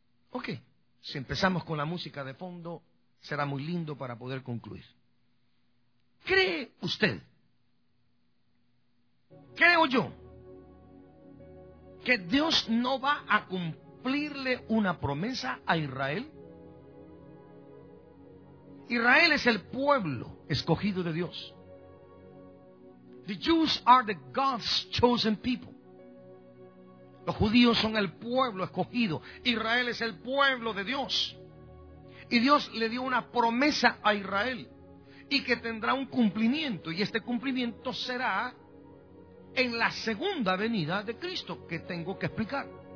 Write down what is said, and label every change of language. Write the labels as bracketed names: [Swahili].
[Spanish] Ok, si empezamos con la música de fondo, será muy lindo para poder concluir. ¿Cree usted? ¿Creo yo? ¿Que Dios no va a cumplirle una promesa a Israel? Israel es el pueblo escogido de Dios. [English] The Jews are the God's chosen people. [Spanish] Los judíos son el pueblo escogido. Israel es el pueblo de Dios. Y Dios le dio una promesa a Israel. Y que tendrá un cumplimiento. Y este cumplimiento será en la segunda venida de Cristo, que tengo que explicar.